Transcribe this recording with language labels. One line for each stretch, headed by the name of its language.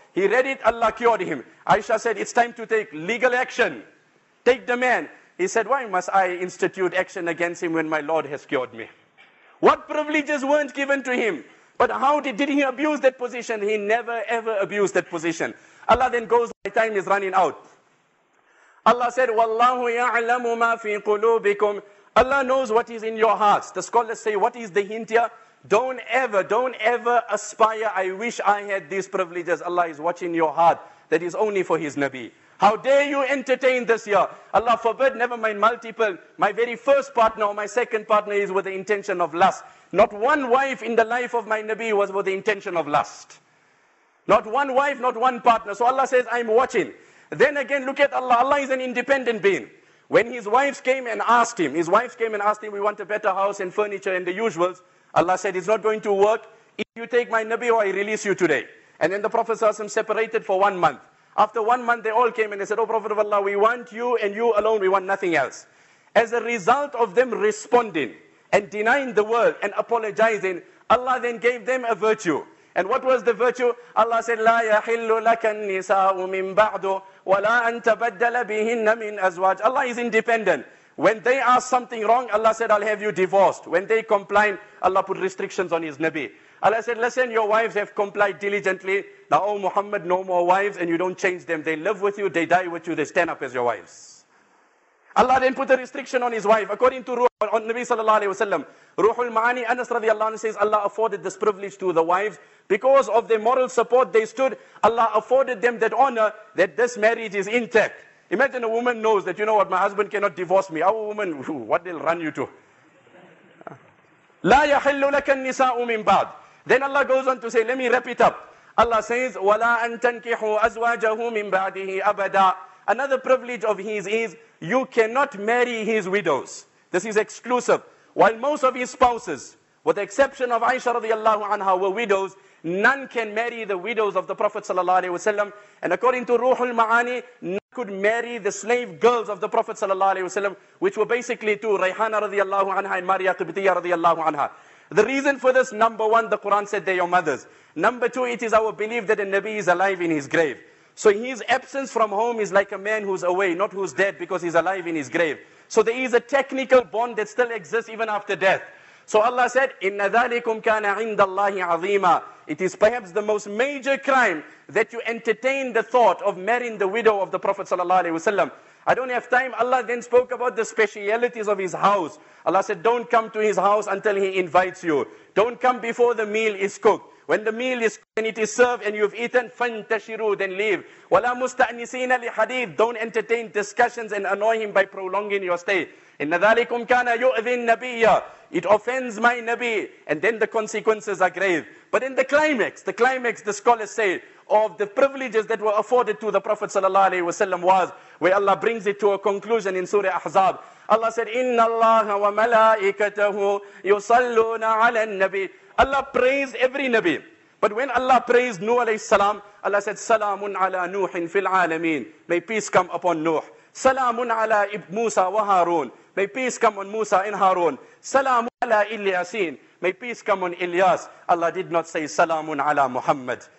English: He read it, Allah cured him. Aisha said, it's time to take legal action. Take the man. He said, why must I institute action against him when my Lord has cured me? What privileges weren't given to him? But how did he abuse that position? He never ever abused that position. Allah then goes, my time is running out. Allah said,
Arabic: وَاللَّهُ يَعْلَمُ مَا فِي قُلُوبِكُمْ.
English: Allah knows what is in your hearts. The scholars say, what is the hint here? Don't ever aspire. I wish I had these privileges. Allah is watching your heart. That is only for his Nabi. How dare you entertain this here? Allah forbid, never mind multiple. My very first partner or my second partner is with the intention of lust. Not one wife in the life of my Nabi was with the intention of lust. Not one wife, not one partner. So Allah says, I'm watching. Then again, look at Allah. Allah is an independent being. When his wives came and asked him, we want a better house and furniture and the usuals. Allah said, it's not going to work. If you take my Nabi, or I release you today. And then the Prophet ﷺ separated for 1 month. After 1 month, they all came and they said, oh Prophet of Allah, we want you and you alone. We want nothing else. As a result of them responding and denying the world and apologizing, Allah then gave them a virtue. And what was the virtue? Allah said,
Arabic: لَا يَحِلُّ لَكَ النِّسَاءُ مِنْ بَعْدُ وَلَا أَن تَبَدَّلَ بِهِنَّ مِنْ أَزْوَاجٍ.
English: Allah is independent. When they ask something wrong, Allah said, I'll have you divorced. When they complain, Allah put restrictions on his Nabi. Allah said, listen, your wives have complied diligently. Now, oh Muhammad, no more wives, and you don't change them. They live with you, they die with you, they stand up as your wives. Allah then put a restriction on his wife. According to Ruh, on Nabi sallallahu alayhi wa sallam, Ruhul Ma'ani, Anas radiallahu anhu says, Allah afforded this privilege to the wives. Because of the moral support they stood, Allah afforded them that honor that this marriage is intact. Imagine a woman knows that, you know what, my husband cannot divorce me. Our woman, what they'll run you to?
Arabic: لَا يَحِلُّ لَكَ النِّسَاءُ مِنْ بَعْدِ.
English: Then Allah goes on to say, let me wrap it up. Allah says,
Arabic: وَلَا أَن تَنْكِحُوا أَزْوَاجَهُ مِنْ بَعْدِهِ أَبَدًا.
English: Another privilege of his is, you cannot marry his widows. This is exclusive. While most of his spouses, with the exception of Aisha radiallahu anha, were widows, none can marry the widows of the Prophet sallallahu alayhi wa sallam. And according to Ruhul Ma'ani, none could marry the slave girls of the Prophet sallallahu alayhi wa sallam, which were basically two, Rayhana radiallahu anha and Maria Qibtiyya radiallahu anha. The reason for this, number one, the Quran said they're your mothers. Number two, it is our belief that a Nabi is alive in his grave. So his absence from home is like a man who's away, not who's dead, because he's alive in his grave. So there is a technical bond that still exists even after death. So Allah said,
Arabic: إِنَّ ذَلِكُمْ كَانَ عِنْدَ اللَّهِ عَظِيمًا.
English: It is perhaps the most major crime that you entertain the thought of marrying the widow of the Prophet sallallahu alaihi wasallam. I don't have time. Allah then spoke about the specialities of his house. Allah said, don't come to his house until he invites you. Don't come before the meal is cooked. When the meal is cooked and it is served and you've eaten, fantashiru, then leave.
Arabic: وَلَا مُسْتَأْنِسِينَ لِحَدِيثٍ.
English: Don't entertain discussions and annoy him by prolonging your stay.
Arabic: إِنَّ ذَلِكُمْ كَانَ يُؤْذِي النَّبِيَّ.
English: It offends my Nabi. And then the consequences are grave. But in the climax, the scholars say, of the privileges that were afforded to the Prophet sallallahu alaihi wasallam was, where Allah brings it to a conclusion in Surah Ahzab. Allah said,
Arabic: إِنَّ اللَّهَ وَمَلَائِكَتَهُ يُصَلُّونَ عَلَى النَّبِي.
English: Allah praised every Nabi. But when Allah praised Nuh alayhi salam, Allah said,
Arabic: Salamun ala Nuhin fil alameen.
English: May peace come upon Nuh.
Arabic: Salamun ala Musa wa Harun.
English: May peace come on Musa and Harun.
Arabic: Salamun ala Ilyasin.
English: May peace come on Ilyas. Allah did not say,
Arabic: Salamun ala Muhammad.